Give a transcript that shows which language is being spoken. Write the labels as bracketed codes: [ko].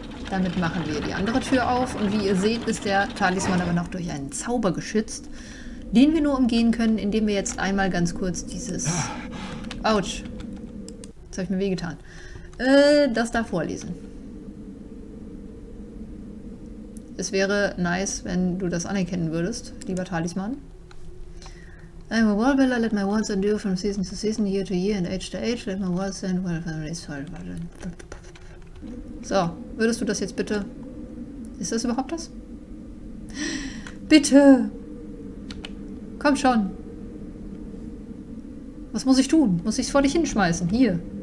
[de] Damit machen wir die andere Tür auf. Und wie ihr seht, ist der Talisman aber noch durch einen Zauber geschützt, den wir nur umgehen können, indem wir jetzt einmal ganz kurz dieses... Autsch. Jetzt habe ich mir wehgetan. Das da vorlesen. Es wäre nice, wenn du das anerkennen würdest, lieber Talisman. [en] I'm a wall builder, let my walls endure from season to season, year to year and age to age, let my walls stand while I'm raised. [de] So, würdest du das jetzt bitte... Ist das überhaupt das? Bitte! Komm schon! Was muss ich tun? Muss ich es vor dich hinschmeißen? Hier!